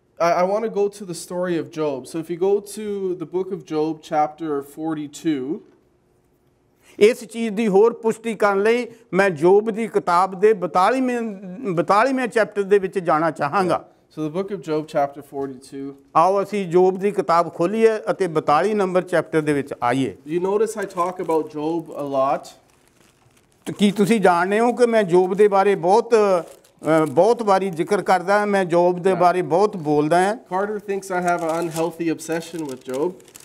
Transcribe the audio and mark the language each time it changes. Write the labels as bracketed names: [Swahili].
[English] I want to go to the story of Job. So if you go to the book of Job, chapter 42. [Punjabi] ਇਸ ਚੀਜ਼ ਦੀ ਹੋਰ ਪੁਸ਼ਟੀ ਕਰਨ ਲਈ ਮੈਂ ਜੋਬ ਦੀ ਕਿਤਾਬ ਦੇ 42ਵੇਂ ਚੈਪਟਰ ਦੇ ਵਿੱਚ ਜਾਣਾ ਚਾਹਾਂਗਾ. [English] So the book of Job, chapter 42. [Punjabi] ਆਓ ਅਸੀਂ ਜੋਬ ਦੀ ਕਿਤਾਬ ਖੋਲੀਏ ਅਤੇ 42 ਨੰਬਰ ਚੈਪਟਰ ਦੇ ਵਿੱਚ ਆਈਏ. [English] You notice I talk about Job a lot. [Punjabi] ਕੀ ਤੁਸੀਂ ਜਾਣਦੇ ਹੋ ਕਿ ਮੈਂ ਜੋਬ ਦੇ ਬਾਰੇ ਬਹੁਤ ਬਹੁਤ ਵਾਰੀ ਜ਼ਿਕਰ ਕਰਦਾ ਹਾਂ, ਮੈਂ ਜੋਬ ਦੇ ਬਾਰੇ ਬਹੁਤ ਬੋਲਦਾ ਹਾਂ. [English] Carter thinks I have an unhealthy obsession with Job.